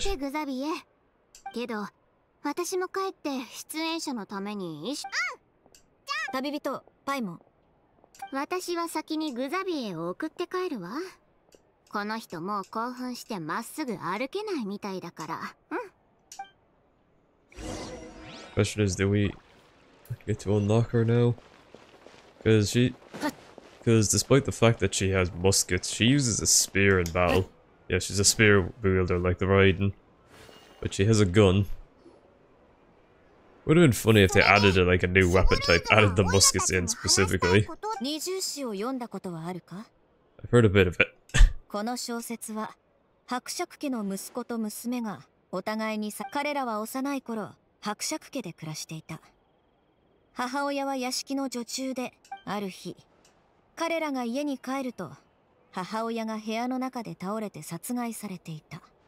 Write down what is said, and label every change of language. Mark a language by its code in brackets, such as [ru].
[en] Xavier. But I'm going to go to the [ja] 旅人、パイモン。私は先にグザビエを送って帰るわ。この人もう興奮してまっすぐ歩けないみたいだから。うん。 [en] Question is, do we get to unlock her now? Because she. Because despite the fact that she has muskets, she uses a spear in battle. Yeah, she's a spear wielder like the Raiden. But she has a gun. Would have been funny if they added a, like, a new weapon type, added the muskets in specifically. I've heard a bit of it. [ja] この小説は、伯爵家の息子と娘が、お互いにさ、彼らは幼い頃、伯爵家で暮らしていた。母親は屋敷の女中で、ある日、彼らが家に帰ると、母親が部屋の中で倒れて殺害されていた。